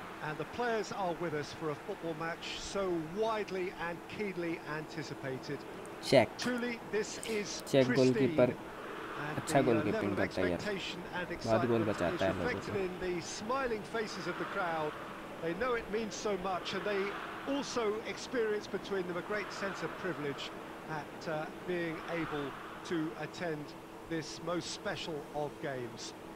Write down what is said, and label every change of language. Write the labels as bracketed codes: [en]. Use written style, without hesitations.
[en] And the players are with us for a football match so widely and keenly anticipated. Check. Truly, this is check goalkeeper. [hi] अच्छा goalkeeping करता है यार, बहुत गोल बचाता है लोगों को। [en] In the smiling faces of the crowd, they know it means so much, and they also experience between them a great sense of privilege at being able to attend this most special of games.